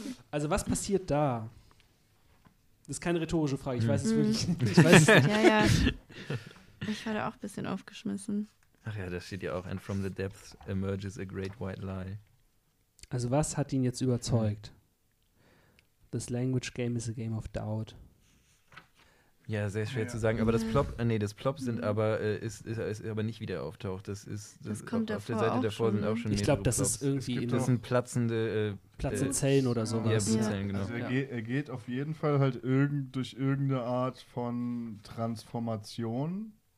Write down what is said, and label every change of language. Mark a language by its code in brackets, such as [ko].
[de] Also was passiert da? Das ist keine rhetorische Frage, ich weiß es wirklich nicht. Ich weiß es nicht. Ja, ja. Ich war da auch ein bisschen aufgeschmissen. Ach ja, da steht ja auch, [en] and from the depths emerges a great white lie. [de] Also was hat ihn jetzt überzeugt? [en] This language game is a game of doubt. [de] Ja, sehr schwer zu sagen, aber das Plop ist aber nicht wieder auftaucht. Das kommt auf der Seite davor sind auch schon. Ich glaube, das ist irgendwie. Das sind platzende. Platzende Zellen oder sowas. Ja, Blutzellen, genau. Also er geht auf jeden Fall halt durch irgendeine Art von Transformation.